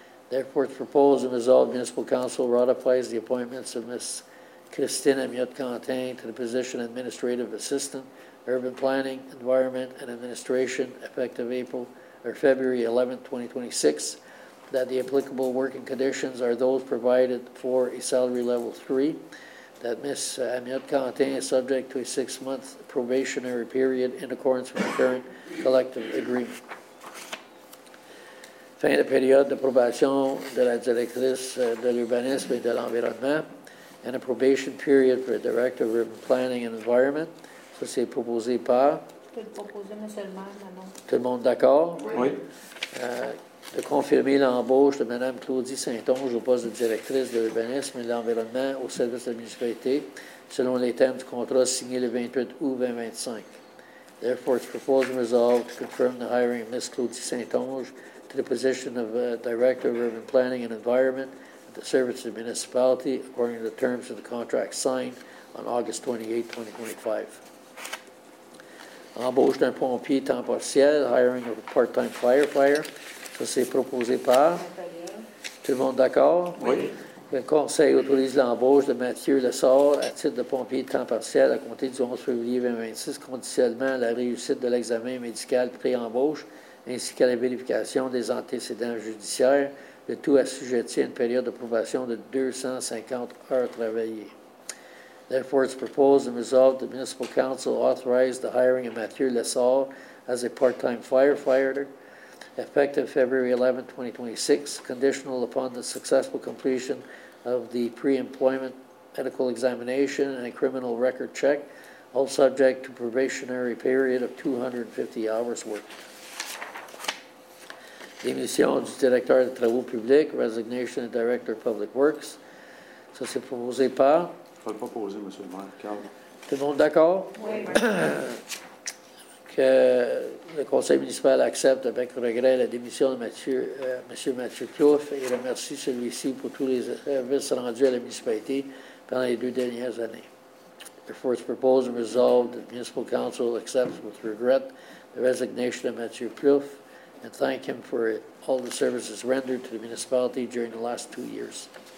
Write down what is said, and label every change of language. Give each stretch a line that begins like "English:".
English: Therefore, the proposed and resolved municipal council ratifies the appointments of Ms. Christine Amiot-Cantin to the position of administrative assistant, urban planning, environment, and administration, effective February 11, 2026, that the applicable working conditions are those provided for a salary level 3, that Ms. Amiot-Cantin is subject to a 6-month probationary period in accordance with the current collective agreement.
French: Fin de période d'approbation de la directrice de l'urbanisme et de l'environnement.
English: And a probation period for a director of urban planning and environment.
French: Ça, c'est proposé par? Tout le monde d'accord? Oui. De confirmer l'embauche de Mme Claudie Saint-Onge au poste de directrice de l'urbanisme et de l'environnement au service de la municipalité selon les termes du contrat signé le 28 août 2025.
English: Therefore, it's proposed and resolved to confirm the hiring of Ms. Claudie Saint-Onge to the position of director of urban planning and environment. The service of the municipality according to the terms of the contract signed on August 28, 2025.
French: Embauche d'un pompier temps partiel,
English: hiring of a part-time firefighter.
French: Ça, c'est proposé par? Tout le monde d'accord? Oui. Le conseil autorise l'embauche de Mathieu Lessard à titre de pompier temps partiel à compter du 11 février 2026, conditionnellement à la réussite de l'examen médical pré-embauche ainsi qu'à la vérification des antécédents judiciaires. Le tout assujetti à une période d'approbation de 250 heures travaillées.
English: Therefore, it's proposed and resolved the municipal council authorize the hiring of Mathieu Lessard as a part-time firefighter, effective February 11, 2026, conditional upon the successful completion of the pre-employment medical examination and a criminal record check, all subject to probationary period of 250 hours worked.
French: Démission du directeur des travaux publics,
English: resignation of director of public works.
French: Ça, c'est proposé par? Je vais le proposer, M. le maire. Calme. Tout le monde d'accord? Oui. Que le conseil municipal accepte avec regret la démission de M. Mathieu Clouf et remercie celui-ci pour tous les services rendus à la municipalité pendant les 2 dernières années.
English: Therefore, it's proposed and resolved that the municipal council accepts with regret the resignation of Mathieu Clouf and thank him for it, all the services rendered to the municipality during the last 2 years.